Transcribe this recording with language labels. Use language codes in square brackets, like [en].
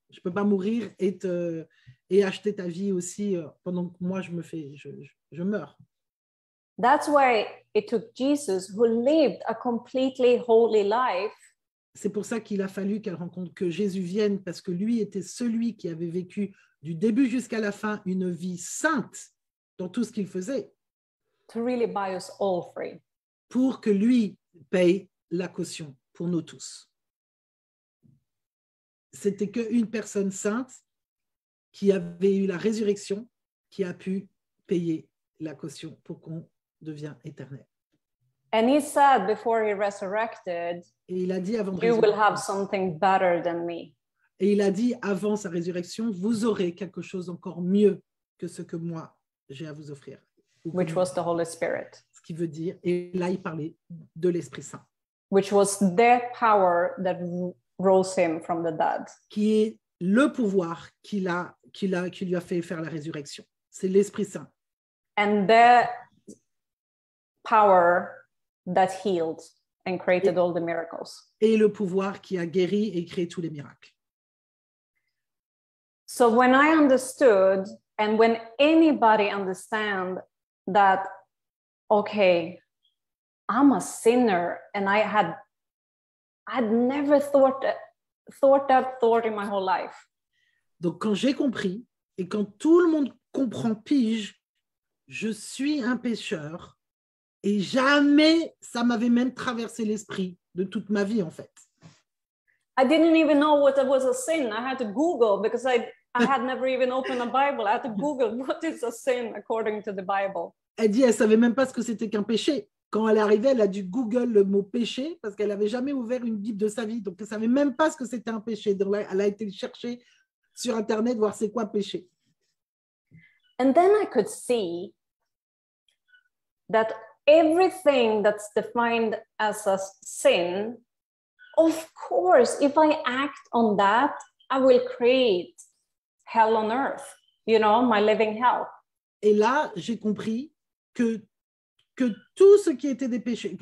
[fr] Je peux pas mourir et acheter ta vie aussi pendant que moi je meurs. [en] That's why it took Jesus, who lived a completely holy life. [fr] C'est pour ça qu'il a fallu qu'elle rencontre que Jésus vienne, parce que lui était celui qui avait vécu du début jusqu'à la fin une vie sainte dans tout ce qu'il faisait. [en] To really buy us all free. [fr] Pour que lui paye la caution pour nous tous. C'était qu'une personne sainte qui avait eu la résurrection qui a pu payer la caution pour qu'on devienne éternel. [en] And he said before he resurrected, [fr] et il a dit avant de [en] résurrection, you will have something better than me. [fr] Et il a dit avant sa résurrection, vous aurez quelque chose encore mieux que ce que moi j'ai à vous offrir. [en] Which was the Holy Spirit. [fr] Qui veut dire, et là il parlait de l'Esprit Saint. [en] Which was the power that rose him from the dead. [fr] Qui est le pouvoir qui lui a fait faire la résurrection. C'est l'Esprit Saint. [en] And the power that healed and created all the miracles. [fr] Et le pouvoir qui a guéri et créé tous les miracles. [en] So when I understood, and when anybody understand that, okay, I'm a sinner, and I had never thought that thought in my whole life. [fr] Donc quand j'ai compris, et quand tout le monde comprend, pige, je suis un pécheur, et jamais ça m'avait même traversé l'esprit de toute ma vie, en fait. [en] I didn't even know what it was a sin. I had to Google, because I had never even opened a Bible. I had to Google what is a sin according to the Bible. [fr] Elle dit, elle savait même pas ce que c'était qu'un péché. Quand elle est arrivée, elle a dû Google le mot péché parce qu'elle avait jamais ouvert une Bible de sa vie. Donc, elle savait même pas ce que c'était un péché. Donc, elle a été chercher sur Internet voir c'est quoi péché. [en] And then I could see that everything that's defined as a sin, of course, if I act on that, I will create hell on earth. You know, my living hell. [fr] Et là, j'ai compris que tout ce qui était des péchés.